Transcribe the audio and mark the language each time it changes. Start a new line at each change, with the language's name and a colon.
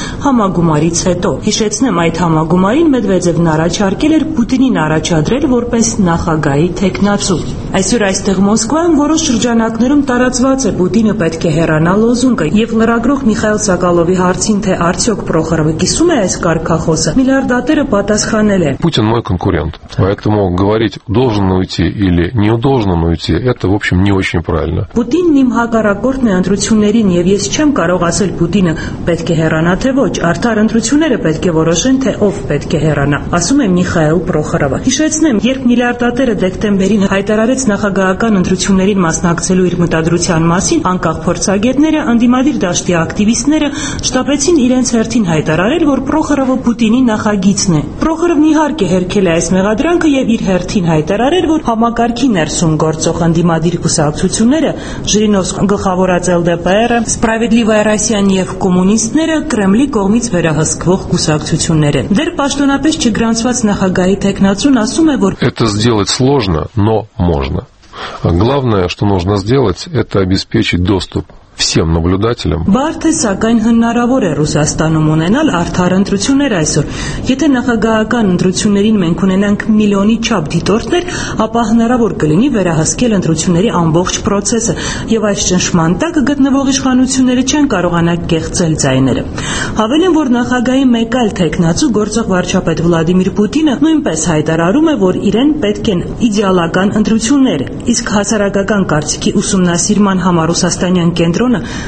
Armenian: համագումարից հետո։ Հիշեցնեմ, այդ համագումարին Մեդվեդևն առաջարկել էր Պուտինին առաջադրել որպես նախագահի թեկնածու։ Այսօր այստեղ Մոսկվայում որոշ շրջանակներում տարածված է Պուտինը պետք է հեռանա լոզունգը, եւ լրագրող Միխայել Սակալովի հարցին, թե արդյոք Պրոխորովը կիսում է այս կարգախոսը, միլիարդատերը պատասխանել է.
Russian: Путин мой конкурент, поэтому говорить, должен уйти или не должен уйти, это в общем не очень правильно.
Armenian: Պուտինն իմ հակառակորդն է ընտրություններին, եւ ես չեմ կարող ասել Պուտինը պետք է հեռանա թե ոչ, արդար ընտրությունները պետք է որոշեն, թե ով պետք է հեռանա, ասում է Միխայել Պրոխորովը։ Հիշեցնեմ, երբ միլիարդատերը դեկտեմբերին հայտարարեց նախագահական ընտրություններին մասնակցելու իր մտադրության մասին, անկախ փորձագետները, անդիմադիր դաշտի ակտիվիստները շտապեցին իրենց հերթին հայտարարել, որ Պրոխորովը Պուտինի նախագիծն է։ Պրոխորովն իհարկե հերքել է այս մեղադրանքը եւ իր հերթին հայտարարել, որ համակարգի ներսում գործող անդիմադիր կուսակցությունները, Ժիրինովսկ գլխավորած ԼԴՊՌ-ը, Սպրավեդլիվայ Ռասիան եւ Կոմունիստները Կրեմլի կողմից վերահսկվող կուսակցություններ են։ Դեռ պաշտոնապես չգրանցված նախագահի թեկնածուն ասում է, որ
Russian: «Это сделать сложно, но можно». Главное, что нужно сделать, это обеспечить доступ всем наблюдателям.
Armenian: Բարդ է, սակայն հնարավոր է Ռուսաստանում ունենալ արդար ընտրություններ այսօր. Եթե նախագահական ընտրություններին մենք ունենանք միլիոնի չափ դիտորդներ, ապա հնարավոր կլինի վերահսկել ընտրությունների ամբողջ process-ը, եւ այս ճնշման տակ գտնվող իշխանությունները չեն կարողանա կեղծել ձայները։ Հավելեմ, որ նախագահի մեկ այլ թեկնածու գործող վարչապետ Վլադիմիր Պուտինը նույնպես հայտարարում է, որ իրեն պետք են իդեալական ընտրություններ, իսկ հասարակական կարծիքի ուսումնասիրման համար Ռուսաստանյան կենտրոնը